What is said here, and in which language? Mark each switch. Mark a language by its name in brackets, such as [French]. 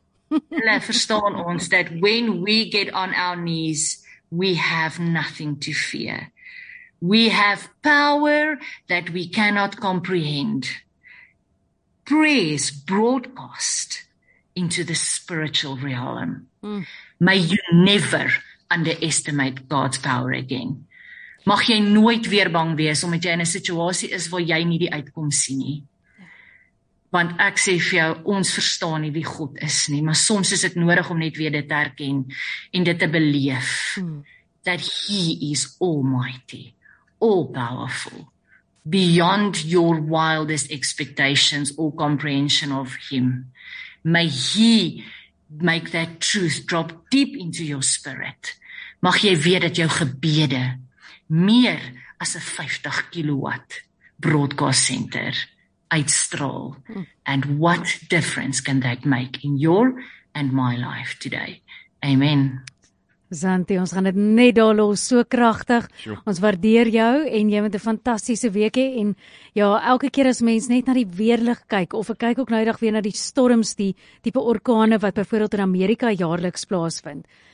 [Afrikaans] Hulle verstaan ons dat [English] when we get on our knees, we have nothing to fear. We have power that we cannot comprehend. Prayers broadcast into the spiritual realm. Mm. May you never underestimate God's power again. [Afrikaans] Mag jy nooit weer bang wees omdat jy in 'n situasie is waar jy nie die uitkom sien nie. Want ek sê vir jou, ons verstaan nie wie God is nie, maar soms is dit nodig om net weer dit te herken en dit te beleef. Mm. [English] That he is almighty, all-powerful, beyond your wildest expectations or comprehension of him. May he make that truth drop deep into your spirit. [Afrikaans] Mag jy weet dat jou gebede meer as 'n 50 kilowatt broadcast center uitstraal. [English] And what difference can that make in your and my life today? Amen. [Afrikaans] Zanti, ons gaan dit net daar los, so kragtig. Ons waardeer jou en jy met 'n fantastiese week hê en ja, elke keer as mens net na die weerlig kyk of ek kyk ook nou eendag weer na die storms, die tipe orkane wat byvoorbeeld in Amerika jaarliks plaasvind.